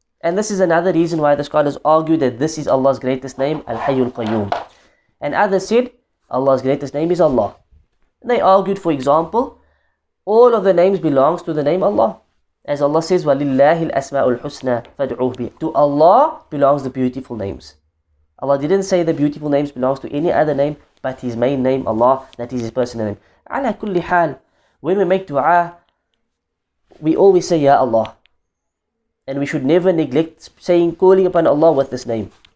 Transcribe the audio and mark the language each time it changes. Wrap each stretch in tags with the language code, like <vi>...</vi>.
<en>And this is another reason why the scholars argue that this is Allah's greatest name, Al-Hayyul Qayyum. And others said, Allah's greatest name is Allah. And they argued, for example, all of the names belongs to the name Allah. As Allah says,</en> <ar>وَلِلَّهِ الْأَسْمَاءُ الْحُسْنَى فَادْعُوهُ بِهِ.</ar> <en>To Allah belongs the beautiful names. Allah didn't say the beautiful names belongs to any other name, but His main name, Allah, that is His personal name.</en> <ar>عَلَى كُلِّ حَال.</ar> <en>When we make dua, we always say, Ya Allah. And we should never neglect saying, calling upon Allah with this name.</en>